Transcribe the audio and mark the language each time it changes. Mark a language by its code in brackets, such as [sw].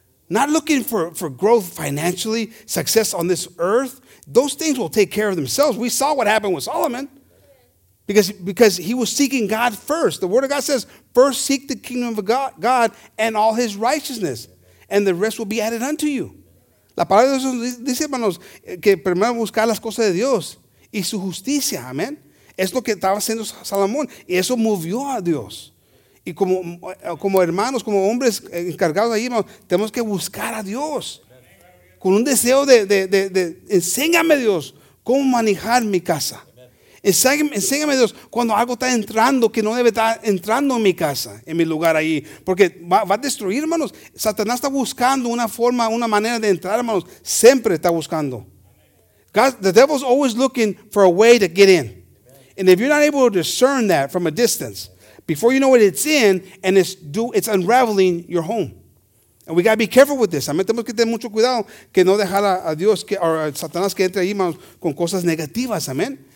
[en] Not looking for growth financially, success on this earth. Those things will take care of themselves. We saw what happened with Solomon because he was seeking God first. The word of God says, first seek the kingdom of God and all his righteousness, and the rest will be added unto you. [es] La palabra de Dios dice, hermanos, que primero buscar las cosas de Dios y su justicia. Amén. Es lo que estaba haciendo Salomón. Y eso movió a Dios. Y como hermanos, como hombres encargados ahí, tenemos que buscar a Dios con un deseo de enséñame, Dios, cómo manejar mi casa. Enséñame, Dios, cuando algo está entrando que no debe estar entrando en mi casa, en mi lugar ahí. Porque va a destruir, hermanos. Satanás está buscando una forma, una manera de entrar, hermanos. Siempre está buscando. [en] God, the devil's always looking for a way to get in. And if you're not able to discern that from a distance, before you know it, it's in, and it's unraveling your home. And we got to be careful with this. [es] También tenemos que tener mucho cuidado que no dejar a Dios o a Satanás que entre ahí, hermanos, con cosas negativas, amén.